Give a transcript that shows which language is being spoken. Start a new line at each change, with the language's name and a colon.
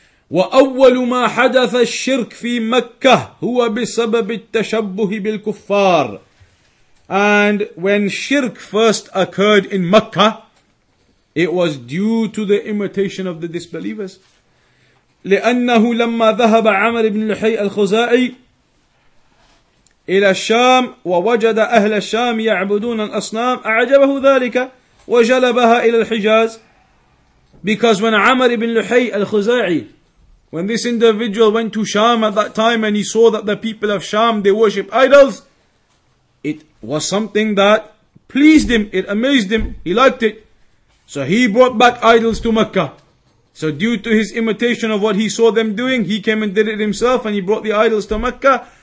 Arabic: وَأَوَّلُ مَا حَدَثَ الشِّرْكِ فِي مَكَّةِ هُوَ بِسَبَبِ التَّشَبُّهِ بِالْكُفَّارِ.
English: And when shirk first occurred in Makkah, it was due to the imitation of the disbelievers.
Arabic: لأنه لما ذهب عمرو بن لحي الخزاعي إلى الشام ووجد أهل الشام يعبدون الأصنام أعجبه ذلك وجلبها إلى الحجاز.
English: Because when عمرو بن لحي الخزاعي, when this individual went to Sham at that time and he saw that the people of Sham, they worship idols, it was something that pleased him, it amazed him, he liked it. So he brought back idols to Mecca. So due to his imitation of what he saw them doing, he came and did it himself and he brought the idols to Mecca.